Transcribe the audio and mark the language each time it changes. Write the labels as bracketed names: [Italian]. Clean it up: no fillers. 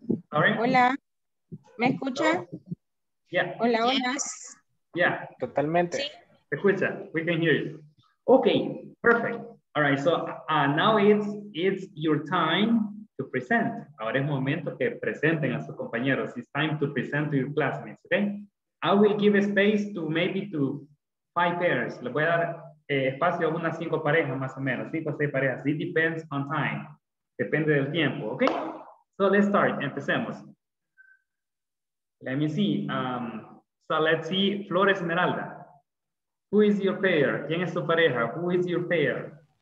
[English] Sorry? [Spanish] Hola, ¿me escuchan? [English] Yeah. Hola. Yes. Yeah. [Spanish] Totalmente. Sí. Escucha, [English] we can hear you. Okay, perfect. All right, so now it's your time to present. [Spanish] Ahora es momento que presenten a sus compañeros. [English] It's time to present to your classmates, okay? I will give space to maybe to 5 pairs. [Spanish] Le voy a dar espacio a unas 5 parejas más o menos, 5 o 6 parejas. [English] It depends on time. [Spanish] Depende del tiempo, [English] okay? So let's start, [Spanish] empecemos. [English] Let me see. So let's see, Flor Esmeralda. Who is your pair? [Spanish] ¿Quién es tu pareja? [English] Who is your pair?